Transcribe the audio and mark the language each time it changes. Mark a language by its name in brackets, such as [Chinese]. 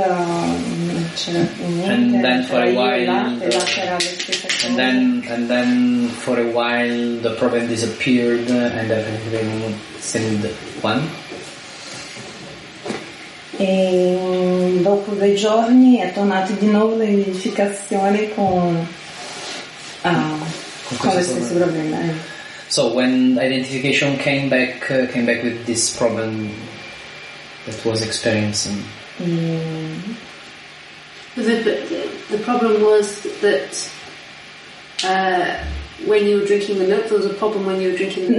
[English] and then for a while the problem disappeared and everything seemed one. [Italian] E dopo dei giorni è tornato di nuovo l'identificazione con lo stesso problema. [English] So when identification came back with this problem that was experiencing. The problem was that when you were drinking the milk, there was a problem when you were drinking the